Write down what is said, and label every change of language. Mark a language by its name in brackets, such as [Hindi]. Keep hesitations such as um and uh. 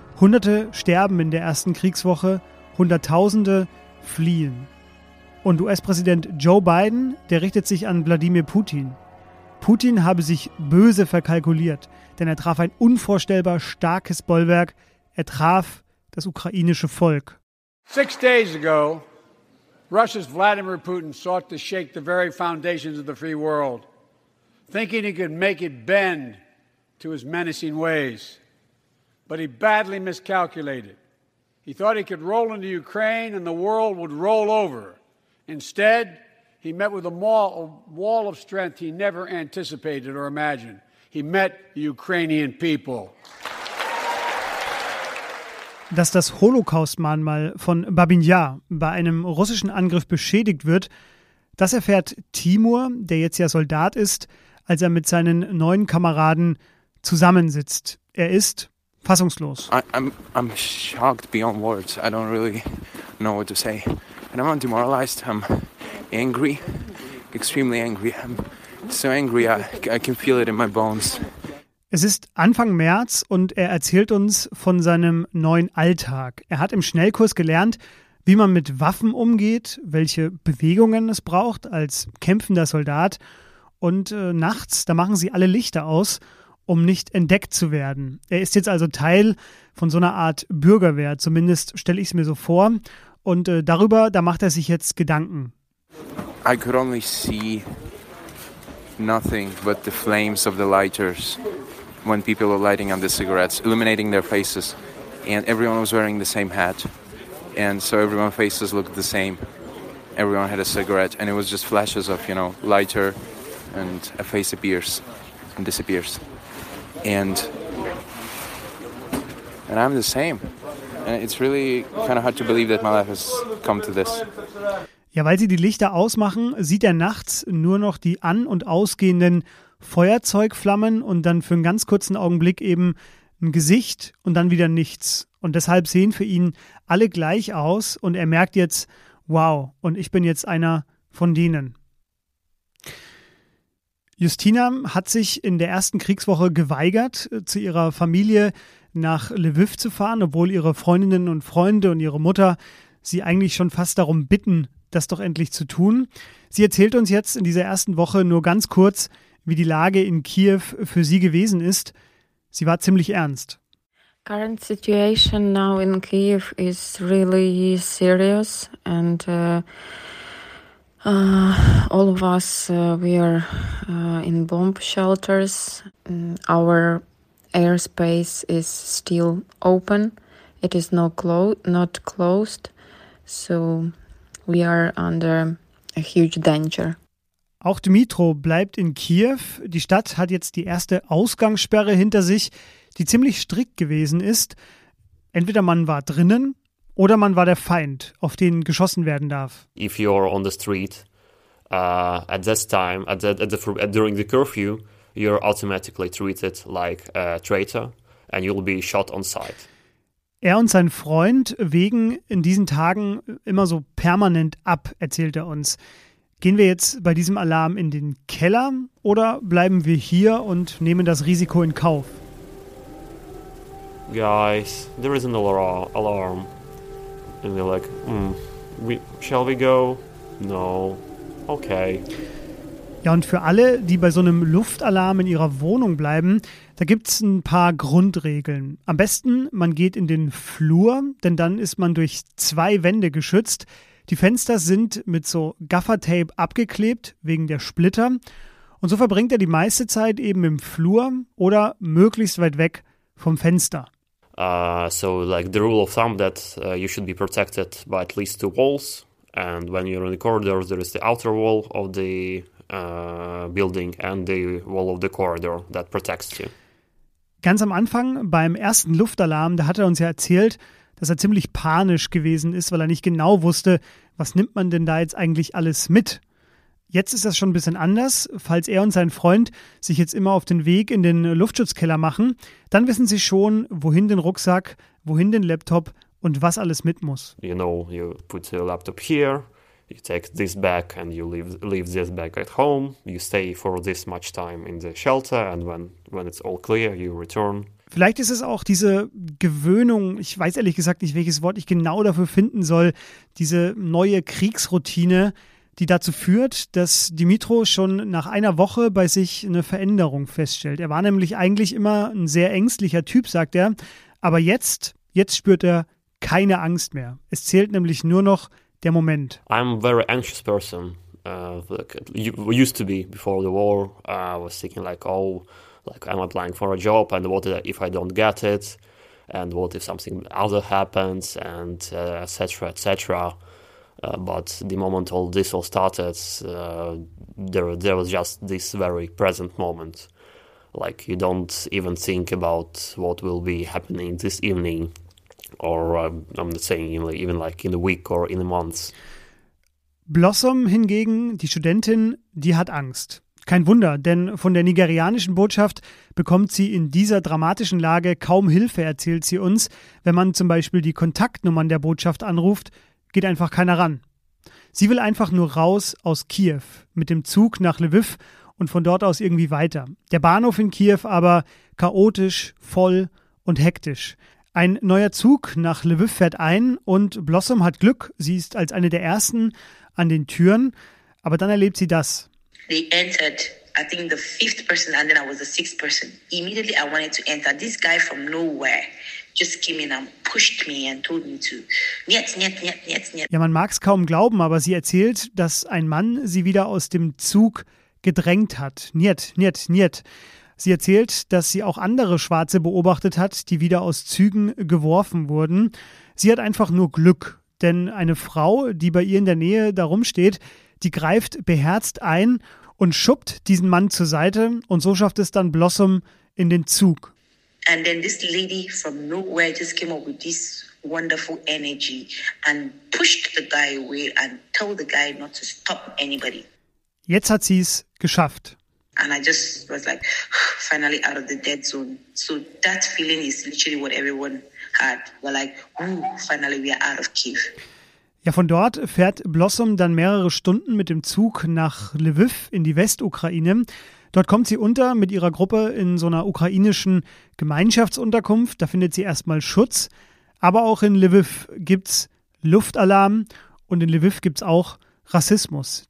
[German] Hunderte sterben in der ersten Kriegswoche, Hunderttausende fliehen. Und US-Präsident Joe Biden, der richtet sich an Wladimir Putin. Putin habe sich böse verkalkuliert, denn er traf ein unvorstellbar starkes Bollwerk, er traf das ukrainische Volk. [English] Six days ago, Russia's Vladimir Putin sought to shake the very foundations of the free world, thinking he could make it bend to his menacing ways. But he badly miscalculated. He thought he could roll into Ukraine and the world would roll over. Instead, he met with a wall of strength he never anticipated or imagined. He met the Ukrainian people. [German] Dass das Holocaust-Mahnmal von Babinjar bei einem russischen Angriff beschädigt wird, das erfährt Timur, der jetzt ja Soldat ist, als er mit seinen neuen Kameraden zusammensitzt. Er ist fassungslos. [English] I, I'm, I'm shocked beyond words. I don't really know what to say. And I'm demoralized. I'm angry, extremely angry. I'm so angry I, I can feel it in my bones. [German] Es ist Anfang März und er erzählt uns von seinem neuen Alltag. Er hat im Schnellkurs gelernt, wie man mit Waffen umgeht, welche Bewegungen es braucht als kämpfender Soldat. Und äh, nachts, da machen sie alle Lichter aus, um nicht entdeckt zu werden. Er ist jetzt also Teil von so einer Art Bürgerwehr, zumindest stelle ich es mir so vor. Und äh, darüber, da macht er sich jetzt Gedanken. [English] I could only see nothing but the flames of the lighters when people were lighting on the cigarettes, illuminating their faces, and everyone was wearing the same hat, and so everyone's faces looked the same. Everyone had a cigarette, and it was just flashes of you know lighter, and a face appears and disappears, and and I'm the same. And it's really kind of hard to believe that my life has come to this. [German] Ja, weil sie die Lichter ausmachen, sieht er nachts nur noch die an- und ausgehenden Feuerzeugflammen und dann für einen ganz kurzen Augenblick eben ein Gesicht und dann wieder nichts. Und deshalb sehen für ihn alle gleich aus und er merkt jetzt, wow, und ich bin jetzt einer von denen. Justina hat sich in der ersten Kriegswoche geweigert, zu ihrer Familie nach Lviv zu fahren, obwohl ihre Freundinnen und Freunde und ihre Mutter sie eigentlich schon fast darum bitten, das doch endlich zu tun. Sie erzählt uns jetzt in dieser ersten Woche nur ganz kurz, wie die Lage in Kiew für sie gewesen ist. Sie war ziemlich ernst. [English] Current situation now in Kiev is really serious and uh, uh, all of us uh, we are in bomb shelters. Our airspace is still open. It is not, clo not closed. So we are under a huge danger. [German] Auch Dmitro bleibt in Kiew. Die Stadt hat jetzt die erste Ausgangssperre hinter sich, die ziemlich strikt gewesen ist. Entweder man war drinnen oder man war der Feind, auf den geschossen werden darf. [English] If you're on the street uh, at this time, at the, at the, during the curfew, you're automatically treated like a traitor and you'll be shot on sight. [German] Er und sein Freund wägen in diesen Tagen immer so permanent ab, erzählt er uns. Gehen wir jetzt bei diesem Alarm in den Keller oder bleiben wir hier und nehmen das Risiko in Kauf? [English] Guys, there is an alar alarm. And we're like, mm, we, shall we go? No. Okay. [German] Ja, und für alle, die bei so einem Luftalarm in ihrer Wohnung bleiben, da gibt es ein paar Grundregeln. Am besten, man geht in den Flur, denn dann ist man durch zwei Wände geschützt. Die Fenster sind mit so Gaffertape abgeklebt wegen der Splitter. Und so verbringt er die meiste Zeit eben im Flur oder möglichst weit weg vom Fenster. [English] Uh, so, like the rule of thumb that uh, you should be protected by at least two walls. And when you're in the corridor, there is the outer wall of the Uh, building and the wall of the corridor that protects you. [German] Ganz am Anfang beim ersten Luftalarm, da hat er uns ja erzählt, dass er ziemlich panisch gewesen ist, weil er nicht genau wusste, was nimmt man denn da jetzt eigentlich alles mit. Jetzt ist das schon ein bisschen anders. Falls er und sein Freund sich jetzt immer auf den Weg in den Luftschutzkeller machen, dann wissen sie schon, wohin den Rucksack, wohin den Laptop und was alles mit muss. [English] You know, you put your laptop here, you take this back and you leave leave this back at home. You stay for this much time in the shelter and when when it's all clear you return. [German] Vielleicht ist es auch diese Gewöhnung, ich weiß ehrlich gesagt nicht, welches Wort ich genau dafür finden soll, diese neue Kriegsroutine, die dazu führt, dass Dimitro schon nach einer Woche bei sich eine Veränderung feststellt. Er war nämlich eigentlich immer ein sehr ängstlicher Typ, sagt er, aber jetzt, jetzt spürt er keine Angst mehr. Es zählt nämlich nur noch der Moment. [English] I'm a very anxious person. Uh, like, used to be before the war. I was thinking like, oh, like I'm applying for a job, and what if I don't get it? and what if something other happens and etc uh, etc et uh, but the moment all this all started uh, there there was just this very present moment like you don't even think about what will be happening this evening or um, i'm not saying even like in a week or in a month [German] Blossom hingegen, die Studentin, die hat Angst. Kein Wunder, denn von der nigerianischen Botschaft bekommt sie in dieser dramatischen Lage kaum Hilfe, erzählt sie uns. Wenn man zum Beispiel die Kontaktnummern der Botschaft anruft, geht einfach keiner ran. Sie will einfach nur raus aus Kiew, mit dem Zug nach Lviv und von dort aus irgendwie weiter. Der Bahnhof in Kiew aber chaotisch, voll und hektisch. Ein neuer Zug nach Lviv fährt ein und Blossom hat Glück, sie ist als eine der ersten an den Türen, aber dann erlebt sie das [English] they entered i think the fifth person and then i was the sixth person immediately i wanted to enter this guy from nowhere just came in and pushed me and told me to [Russian] niet, niet, niet, niet, niet. [German] Ja, man mag es kaum glauben, aber sie erzählt, dass ein Mann sie wieder aus dem Zug gedrängt hat. [Russian] Niet, niet, niet. [German] Sie erzählt, dass sie auch andere Schwarze beobachtet hat, die wieder aus Zügen geworfen wurden. Sie hat einfach nur Glück, denn eine Frau, die bei ihr in der Nähe da rumsteht, die greift beherzt ein und schubbt diesen Mann zur Seite und so schafft es dann Blossom in den Zug. [English] And then this lady from nowhere just came up with this wonderful energy and pushed the guy away and told the guy not to stop anybody. [German] Jetzt hat sie es geschafft. [English] And I just was like, finally out of the dead zone. So that feeling is literally what everyone had. We're like, ooh, finally we are out of Kiev. [German] Ja, von dort fährt Blossom dann mehrere Stunden mit dem Zug nach Lviv in die Westukraine. Dort kommt sie unter mit ihrer Gruppe in so einer ukrainischen Gemeinschaftsunterkunft. Da findet sie erstmal Schutz. Aber auch in Lviv gibt's Luftalarm und in Lviv gibt's auch Rassismus.